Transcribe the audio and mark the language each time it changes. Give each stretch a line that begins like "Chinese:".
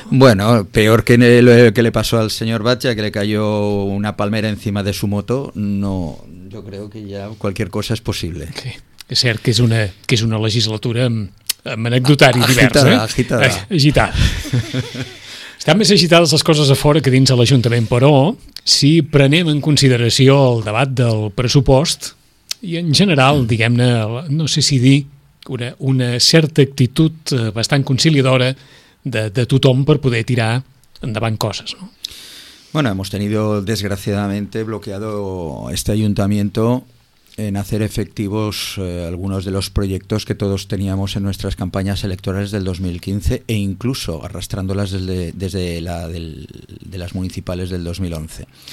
Spanish: Bueno, peor que que le pasó al señor Batxa, que le cayó una palmera encima de su moto, no, yo creo que ya cualquier cosa es posible.
Catalan: Sí, és cert que és una legislatura amb anecdotari agitada, divers, eh? Agitada. Estan més agitades les coses a fora que dins de l'Ajuntament, però si prenem en consideració el debat del pressupost i en general, diguem-ne, no sé si dir una certa actitud bastant conciliadora de tothom per poder tirar endavant coses, ¿no?
Spanish: Bueno, hemos tenido desgraciadamente bloqueado este ayuntamiento en hacer efectivos algunos de los proyectos que todos teníamos en nuestras campañas electorales del 2015 e incluso arrastrándolas desde las municipales del 2011.